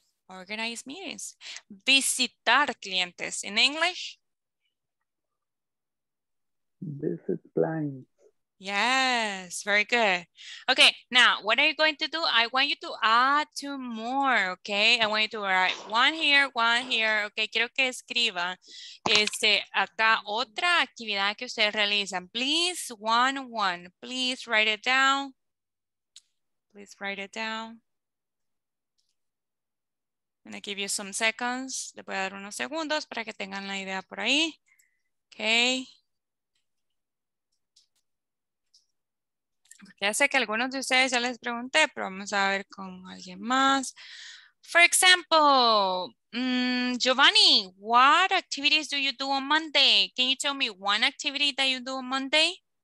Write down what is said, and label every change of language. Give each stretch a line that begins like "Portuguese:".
English: Organize meetings.
Spanish: Visitar clientes
English: in English. Visit clients. Yes, very good. Okay, now what are you going to do? I want you to add two more, okay? I want you to write one here, okay?
Spanish: Quiero que escriba acá otra actividad que ustedes realizan.
English: Please, one, please write it down. Please write it down. I'm gonna give you some seconds.
Spanish: Le voy a dar unos segundos para que tengan la idea por ahí,
English: okay?
Spanish: Ya sé que algunos de ustedes ya les pregunté, pero vamos a ver con alguien más.
English: For example, Giovanni, what activities do you do on Monday? Can you tell me one activity that you do on Monday?